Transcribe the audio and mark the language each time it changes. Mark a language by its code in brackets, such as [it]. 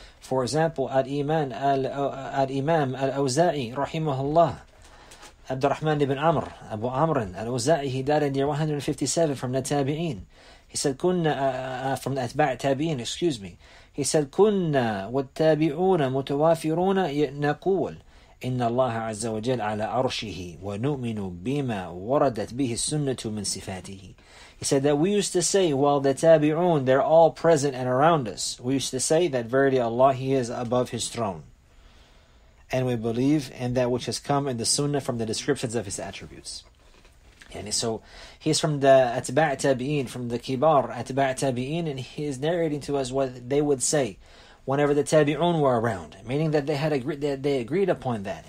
[en] For example, Al-Imam Al-Awza'i, rahimahullah, Abdurrahman ibn Amr, Abu Amr Al-Awza'i, he died in year 157 from the Tabi'een. He said, from the Atba' Tabi'een, excuse me. [ar] He said, Kunna wa tabi'una mutawafiruna yanaqul. إن الله عز وجل على عرشه ونؤمن بما وردت به السنة من صفاته. [en] He said that we used to say, well, the tabi'un, they're all present and around us. We used to say that verily Allah, He is above His throne. And we believe in that which has come in the sunnah from the descriptions of His attributes. And so he's from the atba' tabi'in, from the kibar atba' tabi'in, and he is narrating to us what they would say whenever the tabi'un were around, meaning that they agreed upon that.